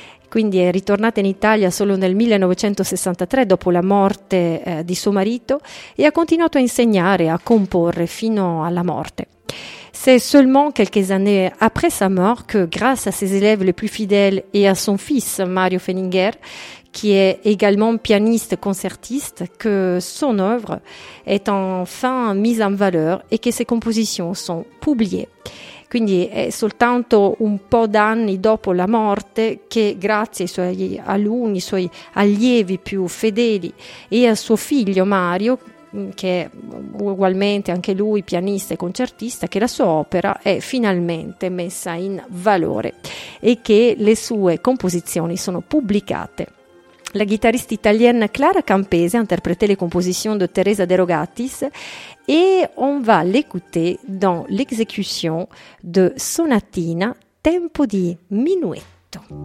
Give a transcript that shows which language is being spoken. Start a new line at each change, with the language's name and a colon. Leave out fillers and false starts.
Italian: Quindi è ritornata in Italia solo nel 1963 dopo la morte di suo marito e ha continuato a insegnare e a comporre fino alla morte.
French: C'est seulement quelques années après sa mort que, grâce à ses élèves les plus fidèles et à son fils Mario Feininger, qui est également pianiste concertiste, que son œuvre est enfin mise en valeur et que ses compositions sont publiées.
Italian: Quindi è soltanto un po' d'anni dopo la morte che, grazie ai suoi alunni, ai suoi allievi più fedeli e a suo figlio Mario, che è ugualmente anche lui pianista e concertista, che la sua opera è finalmente messa in valore e che le sue composizioni sono pubblicate.
French: La chitarrista italienne Clara Campese a interprété les compositions de Teresa De Rogatis et on va l'écouter dans l'exécution de Sonatina Tempo di Minuetto.